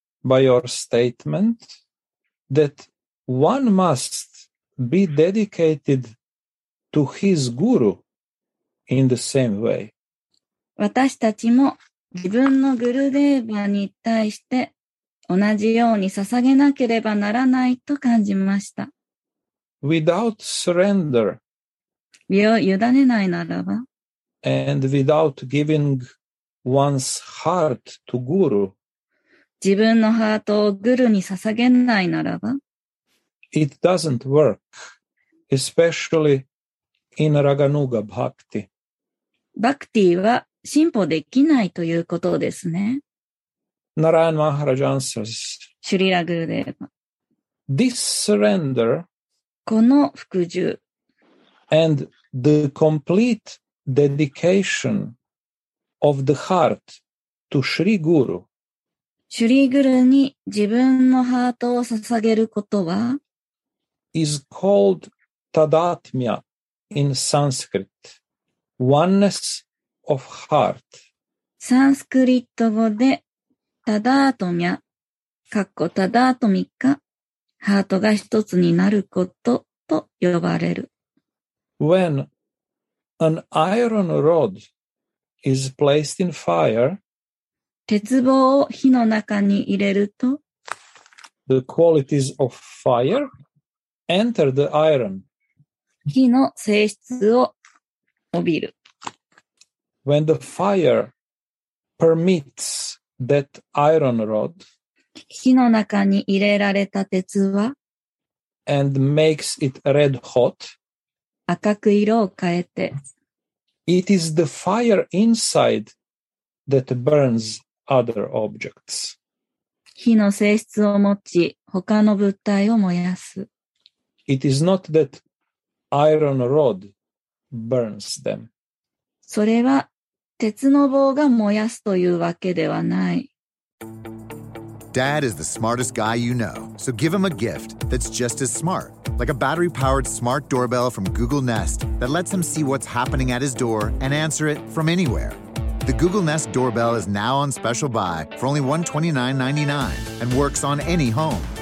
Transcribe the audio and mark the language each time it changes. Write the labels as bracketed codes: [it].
[en] by your statement that one must be dedicated to his guru in the same way. [ja] 私たちも自分のグルデーバに対して同じように捧げなければならないと感じました。 [en] Without surrender, [ja] 身を委ねないならば、 [en] and without giving one's heart to guru, [ja] 自分のハートをグルに捧げないならば、 [en] it doesn't work, especially in Raganuga Bhakti. [ja] バクティは進歩できないということですね。 [en] Narayan Maharaj answers, [ja] シュリラグルデーバ [en] This surrender [ja] この服従 [en] and the complete dedication of the heart to Shri Guru [ja] シュリグルに自分のハートを捧げることは [en] is called Tadatmya in Sanskrit Oneness of Heart [ja] サンスクリット語でタダートミャ、カッコタダートミカ、ハートが一つになることと呼ばれる。 [en] When an iron rod is placed in fire, [ja] 鉄棒を火の中に入れると、 [en] the qualities of fire enter the iron. [ja] 火の性質を帯びる。 [en] When the fire permits that iron rod [ja] 火の中に入れられた鉄は [en] And makes it red hot. [ja] 赤く色を変えて [en] It is the fire inside that burns other objects. [ja] 火の性質を持ち他の物体を燃やす [en] It is not that iron rod burns them. [ja] それは鉄の棒が燃やすというわけではない。 [en] Dad is the smartest guy you know, so give him a gift that's just as smart, like a battery-powered smart doorbell from Google Nest that lets him see what's happening at his door and answer it from anywhere. The Google Nest doorbell is now on special buy for only $129.99 and works on any home.